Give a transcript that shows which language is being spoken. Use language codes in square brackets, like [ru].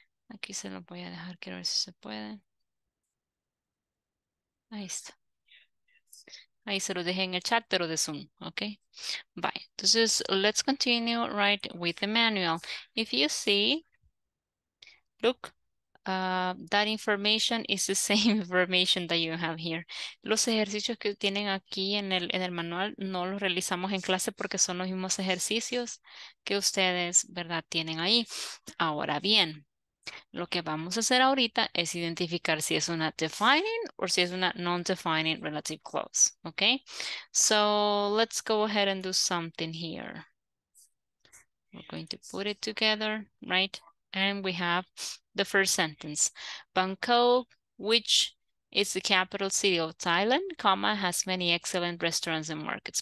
[es] Aquí se lo voy a dejar, quiero ver si se puede. Ahí está. Ahí se lo dejé en el chat, pero de Zoom, okay? [en] Bye. Entonces, let's continue right with the manual. If you see, look, that information is the same information that you have here. [es] Los ejercicios que tienen aquí en el manual no los realizamos en clase porque son los mismos ejercicios que ustedes, ¿verdad?, tienen ahí. Ahora bien, lo que vamos a hacer ahorita es identificar si es una defining o si es una non-defining relative clause, okay? [en] So let's go ahead and do something here. We're going to put it together, right? And we have the first sentence. Bangkok, which is the capital city of Thailand, comma, has many excellent restaurants and markets.